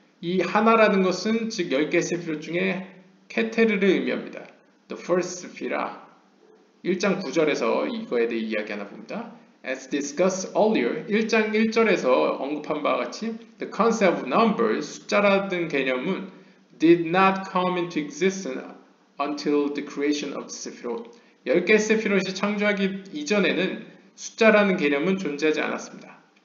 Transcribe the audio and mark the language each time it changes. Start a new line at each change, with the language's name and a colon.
Korean: 이 하나라는 것은 즉 10개의 세피로 중에 케테르를 의미합니다.
English: The first sefira.
Korean: 1장 9절에서 이거에 대해 이야기 하나 봅니다.
English: As discussed earlier,
Korean: 1장 1절에서 언급한 바와 같이
English: The concept of numbers,
Korean: 숫자라는 개념은
English: did not come into existence until the creation of the sefirot.
Korean: 10개의 세피로를 창조하기 이전에는 숫자라는 개념은 존재하지 않았습니다.